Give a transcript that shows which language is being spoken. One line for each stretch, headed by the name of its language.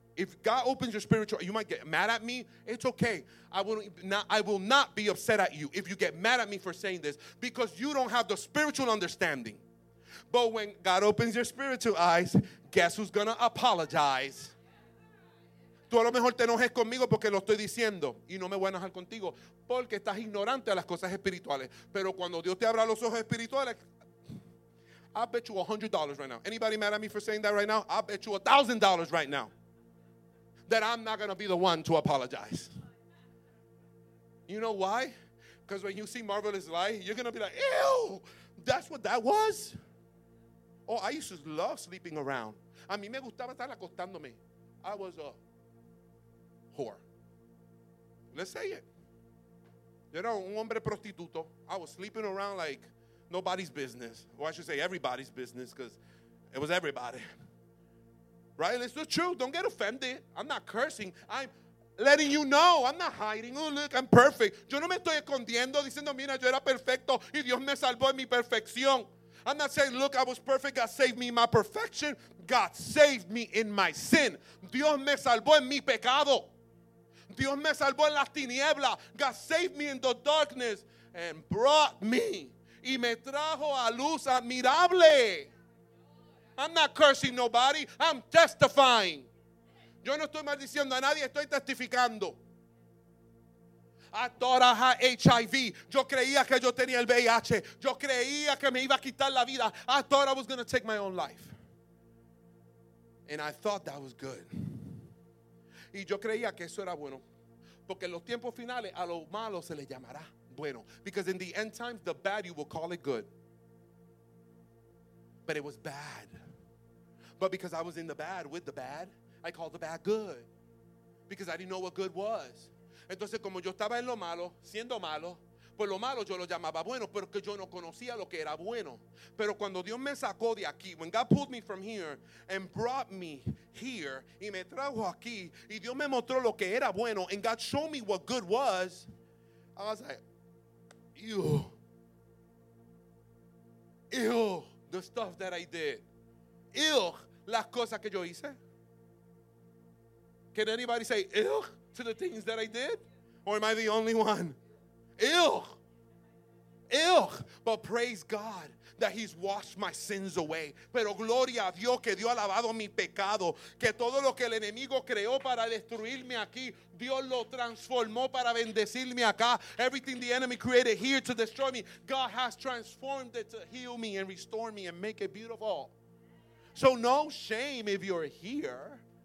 English: If God opens your spiritual, you might get mad at me. It's okay. I will not be upset at you if you get mad at me for saying this because you don't have the spiritual understanding. But when God opens your spiritual eyes, guess who's going to apologize?
Spanish: Tú a lo mejor te enojes conmigo porque lo estoy diciendo y no me voy a enojar contigo porque estás ignorante a las cosas espirituales. Pero cuando Dios te abra los ojos espirituales,
English: I bet you $100 right now. Anybody mad at me for saying that right now? I bet you $1,000 right now that I'm not going to be the one to apologize. You know why? Because when you see marvelous light, you're going to be like, ew, that's what that was? Oh, I used to love sleeping around.
Spanish: A mí me gustaba estar acostándome.
English: I was a whore. Let's say it. You know,
Spanish: un hombre prostituto.
English: I was sleeping around like nobody's business. Or I should say everybody's business because it was everybody. Right? It's the truth. Don't get offended. I'm not cursing. I'm letting you know. I'm not hiding. Oh, look, I'm perfect.
Spanish: Yo no me estoy escondiendo diciendo, mira, yo era perfecto y Dios me salvó en mi perfección.
English: I'm not saying, look, I was perfect. God saved me in my perfection. God saved me in my sin.
Spanish: Dios me salvó en mi pecado. Dios me salvó en las tinieblas.
English: God saved me in the darkness and brought me.
Spanish: Y me trajo a luz admirable.
English: I'm not cursing nobody. I'm testifying.
Spanish: Yo no estoy maldiciendo a nadie. Estoy testificando.
English: I thought I had HIV.
Spanish: Yo creía que yo tenía el VIH. Yo creía que me iba a quitar la vida.
English: I thought I was going to take my own life. And I thought that was good.
Spanish: Y yo creía que eso era bueno. Porque en los tiempos finales a lo malo se le llamará bueno.
English: Because in the end times, the bad you will call it good. But it was bad. But because I was in the bad with the bad, I called the bad good. Because I didn't know what good was.
Spanish: Entonces como yo estaba en lo malo, siendo malo, pues lo malo yo lo llamaba bueno, pero que yo no conocía lo que era bueno. Pero cuando Dios me sacó de aquí,
English: when God pulled me from here and brought me here,
Spanish: y me trajo aquí, y Dios me mostró lo que era bueno,
English: and God showed me what good was, I was like, ew, the stuff that I did. Ew,
Spanish: las cosas que yo hice.
English: Can anybody say ew to the things that I did? Or am I the only one? Ew. Ew. But praise God that he's washed my sins away.
Spanish: Pero gloria a Dios que Dios ha lavado mi pecado. Que todo lo que el enemigo creó para destruirme aquí, Dios lo transformó para bendecirme acá.
English: Everything the enemy created here to destroy me, God has transformed it to heal me and restore me and make it beautiful. So no shame if you're here.